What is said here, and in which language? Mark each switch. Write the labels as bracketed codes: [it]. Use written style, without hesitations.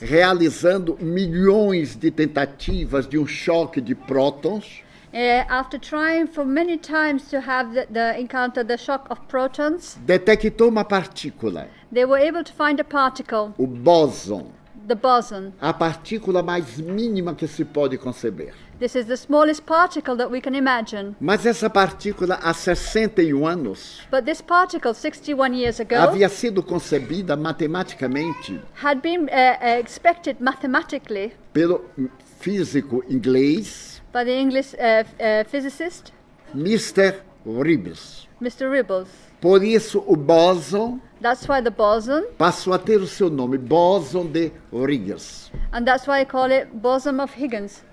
[pt] realizando milhões de tentativas de um choque de prótons, [en] After trying for many times to have the encounter, the shock of protons, [pt] detectou uma partícula. [en] They were able to find a particle. [pt] O bóson. [en] The boson. [pt] A partícula mais mínima que se pode conceber. [en] This is the smallest particle that we can imagine. [pt] Mas essa partícula há 61 anos. [en] But this particle 61 years ago [pt] havia sido concebida matematicamente. [en] Had been expected mathematically. [pt] Pelo físico inglês. [en] By the English physicist. [pt] Mr. Ribbles. [en] Mr. Ribbles. [pt] Por isso o boson. [en] That's why the boson [pt] passou a ter o seu nome, boson de Higgs. [en] And that's why I call it boson of Higgins.